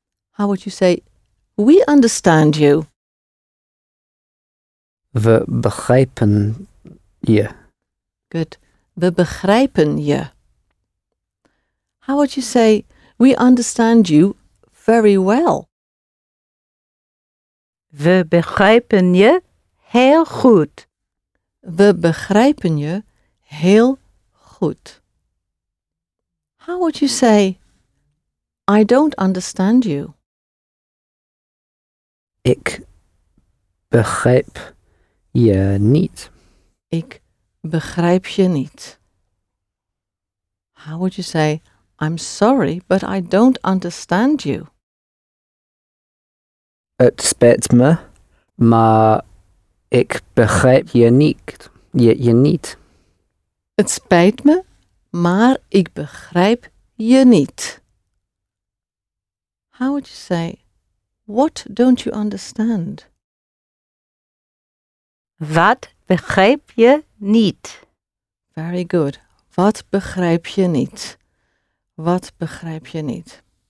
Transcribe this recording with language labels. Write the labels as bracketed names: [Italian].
[English] How would you say we understand you? [Dutch] We begrijpen je. [English] Good. [Dutch] We begrijpen je. [English] How would you say, we understand you very well? [Dutch] We begrijpen je heel goed. We begrijpen je heel goed. [English] How would you say, I don't understand you? [Dutch] Ik begrijp je niet. Ik begrijp je niet. [English] How would you say, I'm sorry, but I don't understand you? [Dutch] Het spijt me, maar ik begrijp je niet. Het spijt me, maar ik begrijp je niet. [English] How would you say, what don't you understand? [Dutch] Wat begrijp je niet? [English] Very good. [Dutch] Wat begrijp je niet? Wat begrijp je niet?